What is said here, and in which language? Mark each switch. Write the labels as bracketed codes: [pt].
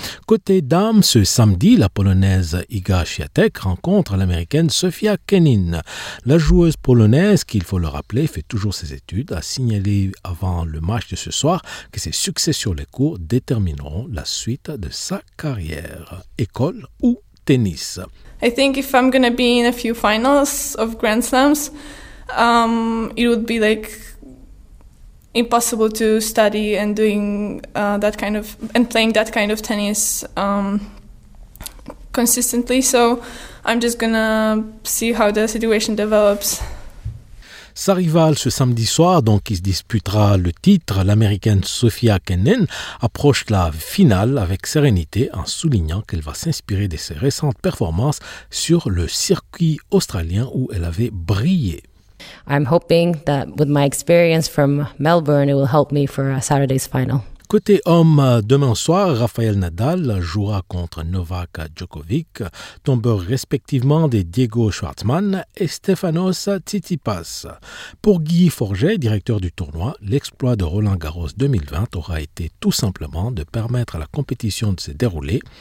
[fr] Côté dames, ce samedi, la polonaise Iga Świątek rencontre l'américaine Sofia Kenin. La joueuse polonaise, qu'il faut le rappeler, fait toujours ses études, a signalé avant le match de ce soir que ses succès sur les courts détermineront la suite de sa carrière. Ou tennis. [en] I think if I'm gonna be in a few finals of Grand Slams, it would be like impossible to study and doing that kind of and playing that kind of tennis consistently. So I'm just gonna see how the situation develops. [fr] Sa rivale ce samedi soir, donc qui se disputera le titre, l'américaine Sofia Kenin, approche la finale avec sérénité en soulignant qu'elle va s'inspirer de ses récentes performances sur le circuit australien où elle avait brillé. [en] I'm hoping that with my experience from Melbourne, it will help me for Saturday's final. [fr] Côté homme, demain soir, Rafael Nadal jouera contre Novak Djokovic, tombeurs respectivement des Diego Schwartzmann et Stefanos Tsitsipas. Pour Guy Forget, directeur du tournoi, l'exploit de Roland-Garros 2020 aura été tout simplement de permettre à la compétition de se dérouler.